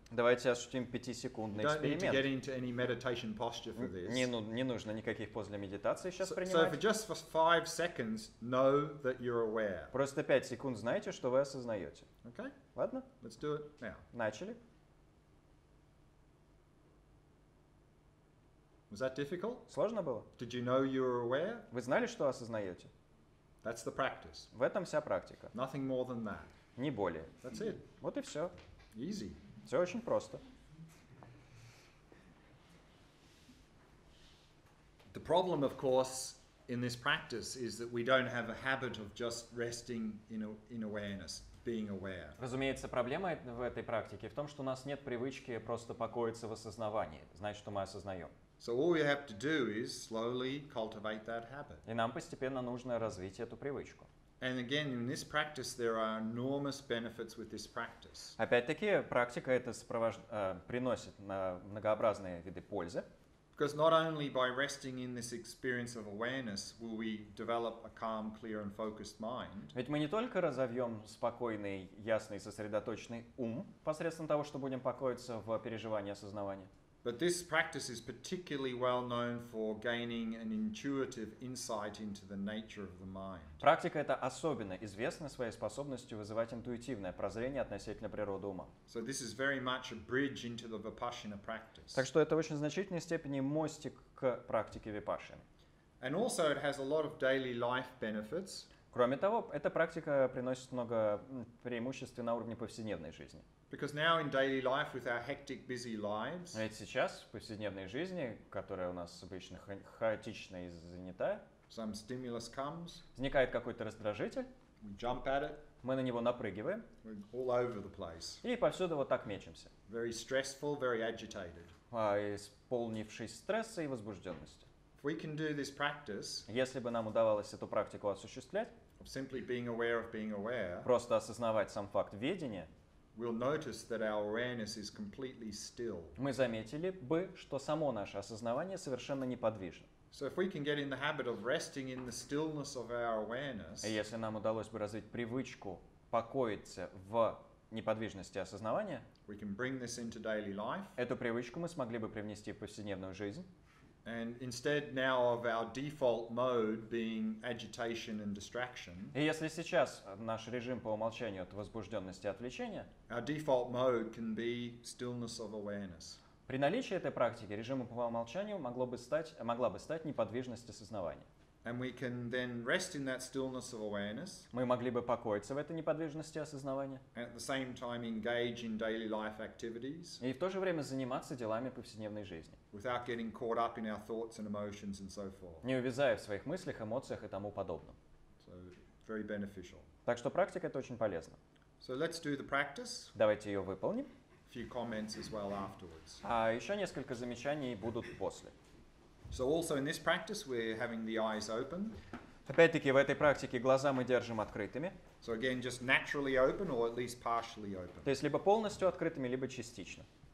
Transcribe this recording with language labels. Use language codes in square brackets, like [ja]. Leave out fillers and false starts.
[ru] Давайте осуществим 5-секундный эксперимент. [en] You don't need to get into any meditation posture for this. [ru] Не нужно никаких поз для медитации сейчас принимать. [en] So for just for 5 seconds, know that you're aware. [ru] Просто 5 секунд знаете, что вы осознаете. [en] Okay. [ru] Ладно? [en] Let's do it now. [ru] Начали. [en] Was that difficult? [ru] Сложно было? [en] Did you know you were aware? [ru] Вы знали, что осознаете? [en] That's the practice. [ru] В этом вся практика. [en] Nothing more than that. [ru] Не более. [en] That's it. [ru] Вот и все. [en] Easy. [ru] Все очень просто. [en] The problem, of course, in this practice is that we don't have a habit of just resting in awareness. [ru] Разумеется, проблема в этой практике в том, что у нас нет привычки просто покоиться в осознавании, знать, что мы осознаем. [en] So all we have to do is slowly cultivate that habit. [ru] И нам постепенно нужно развить эту привычку. [en] And again, in this practice, there are enormous benefits with this practice. [ru] Опять-таки, практика это приносит многообразные виды пользы. [en] Because not only by resting in this experience of awareness will we develop a calm, clear, and focused mind. [ru] Ведь мы не только разовьем спокойный, ясный, сосредоточенный ум посредством того, что будем покоиться в переживании осознавания. [en] But this practice is particularly well known for gaining an intuitive insight into the nature of the mind. [ru] Практика эта особенно известна своей способностью вызывать интуитивное прозрение относительно природы ума. [en] So this is very much a bridge into the Vipassana practice. [ru] Так что это в очень значительной степени мостик к практике Випассаны. [en] And also it has a lot of daily life benefits. [ru] Кроме того, эта практика приносит много преимуществ на уровне повседневной жизни. [en] Because now in daily life with our hectic, busy lives. [ru] Ведь сейчас в повседневной жизни, которая у нас обычно хаотична и занята, [en] some stimulus comes. [ru] Возникает какой-то раздражитель. [en] We jump at it. [ru] Мы на него напрыгиваем. [en] We're all over the place. [ru] И повсюду вот так мечемся. [en] Very stressful, very agitated. [ru] Исполнившись стресса и возбужденности. [en] If we can do this practice. [ru] Если бы нам удавалось эту практику осуществлять. [en] Of simply being aware of being aware. [ru] Просто осознавать сам факт ведения. [en] We'll notice that our awareness is completely still. [ru] Мы заметили бы, что само наше осознавание совершенно неподвижно. [en] So if we can get in the habit of resting in the stillness of our awareness. [ru] И если нам удалось бы развить привычку покоиться в неподвижности осознавания, [en] we can bring this into daily life. [ru] Эту привычку мы смогли бы привнести в повседневную жизнь. [en] And instead now of our default mode being agitation and distraction. [ru] И если сейчас наш режим по умолчанию от возбужденности и отвлечения. [en] Our default mode can be stillness of awareness. [ru] При наличии этой практики режима по умолчанию могла бы стать неподвижность осознавания. [en] And we can then rest in that stillness of awareness. [ru] Мы могли бы покоиться в этой неподвижности осознавания. [en] And at the same time engage in daily life activities. [ru] И в то же время заниматься делами повседневной жизни. [en] Without getting caught up in our thoughts and emotions and so forth. [ru] Не увязая в своих мыслях, эмоциях и тому подобном. [en] So very beneficial. [ru] Так что практика это очень полезно. [en] So let's do the practice. [ru] Давайте ее выполним. [en] A few comments as well afterwards. [ru] А еще несколько замечаний будут после. [en] So also in this practice we're having the eyes open. [ru] Опять-таки в этой практике глаза мы держим открытыми. [en] So again just naturally open or at least partially open. [ru] То есть либо полностью открытыми, либо частично.